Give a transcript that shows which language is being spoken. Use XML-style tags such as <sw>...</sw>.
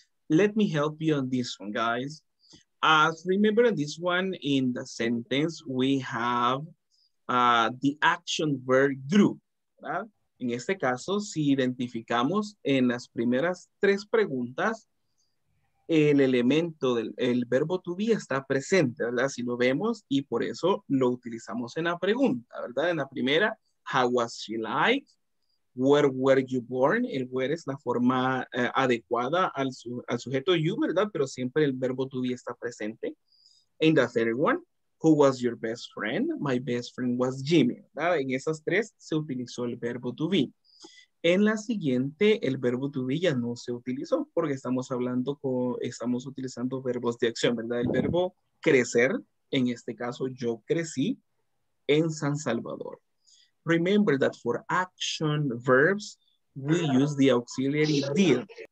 <en>Let me help you on this one, guys. As remember this one in the sentence, we have the action verb group.</en> <es>En este caso, si identificamos en las primeras tres preguntas, el elemento del el verbo to be está presente, ¿verdad? Si lo vemos y por eso lo utilizamos en la pregunta, ¿verdad? En la primera,</es> <en>how was she like? Where were you born?</en> <es>El where es la forma adecuada al, al sujeto you, ¿verdad? Pero siempre el verbo to be está presente.</es> <en>In the third one, who was your best friend? My best friend was Jimmy, ¿verdad?</en> <es>En esas tres se utilizó el verbo to be. En la siguiente, el verbo to be ya no se utilizó porque estamos hablando con, estamos utilizando verbos de acción, ¿verdad? El verbo crecer, en este caso yo crecí en San Salvador.</es> <en>Remember that for action verbs, we use the auxiliary did.</en>